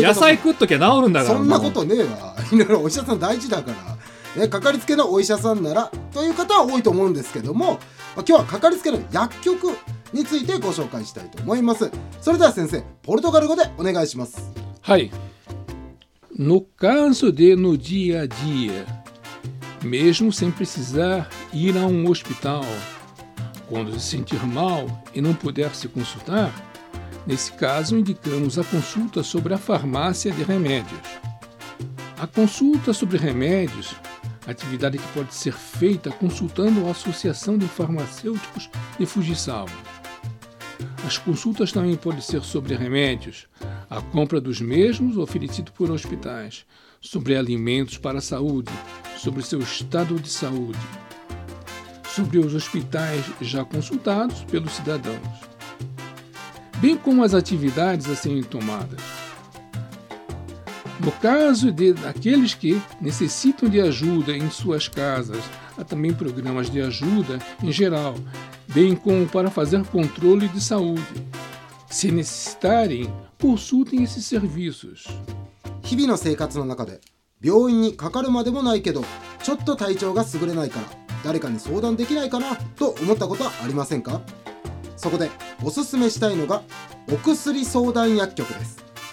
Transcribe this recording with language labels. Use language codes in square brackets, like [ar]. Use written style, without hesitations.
[ja] 野菜食っときゃ治るんだから。そんなことねえわ。いろいろお医者さん大事だから、ね、かかりつけのお医者さんならという方は多いと思うんですけども、今日はかかりつけの薬局についてご紹介したいと思います。それでは先生、ポルトガル語でお願いします。はい。 [pt] No caso de no dia a dia, mesmo sem precisar ir a um hospital, quando se sentir mal e não puder se consultar, nesse caso indicamos a consulta sobre a farmácia de remédios. A consulta sobre remédios, atividade que pode ser feita consultando a Associação de Farmacêuticos de Fujisawa. As consultas também podem ser sobre remédios, a compra dos mesmos oferecido por hospitais, sobre alimentos para a saúde, sobre seu estado de saúde, sobre os hospitais já consultados pelos cidadãos, bem como as atividades a serem tomadas. No caso de aqueles que necessitam de ajuda em suas casas, há também programas de ajuda em geral, bem como para fazer controle de saúde. Se necessitarem, consultem esses serviços. [ja] 日々の生活の中で、病院にかかるまでもないけど、ちょっと体調が優れないから、誰かに相談できないかなと思ったことはありませんか？そこでおすすめしたいのが、お薬相談薬局です。